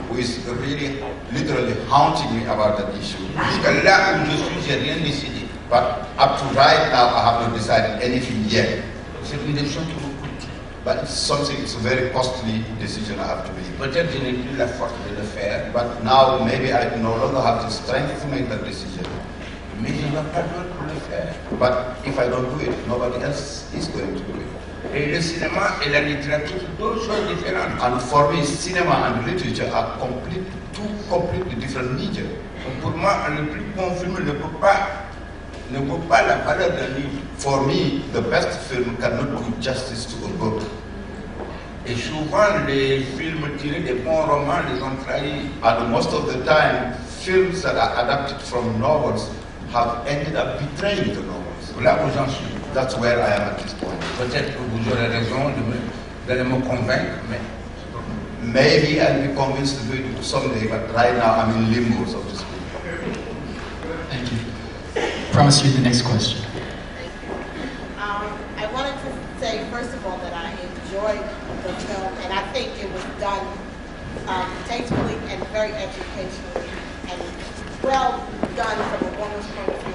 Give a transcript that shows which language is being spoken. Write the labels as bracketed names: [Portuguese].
[English] who is really, literally haunting me about that issue. [French] Jusqu'à là où je suis, j'ai rien décidé. [English] But up to right now, I have not decided anything yet. [French] C'est une décision qui me coûte. [English] But it's something, it's a very costly decision I have to make. [French] Peut-être je n'ai plus la force de le faire. [English] But now, maybe I no longer have the strength to make that decision. [French] Mais je n'ai pas d'autre pour le faire. [English] But if I don't do it, nobody else is going to do it. [French] Et le cinéma et la littérature sont deux choses différentes. [English] And for me, cinema and literature are two completely different mediums. [French] Pour moi, le plus bon film ne vaut pas la valeur d'un livre. [English] For me, the best film cannot do justice to a book. [French] Et souvent, les films tirés des bons romans les ont trahis. [English] And most of the time, films that are adapted from novels have ended up betraying the novels. [French] Voilà où j'en suis. [English] That's where I am at this point. [French] Peut-être que vous aurez raison de me convaincre, mais [English] Maybe I'll be convinced to do it someday, but right now I'm in limbo, so to speak. Thank you. Promise you the next question. I wanted to say, first of all, that I enjoyed the film, and I think it was done tastefully and very educationally, and well done from a woman's point of view.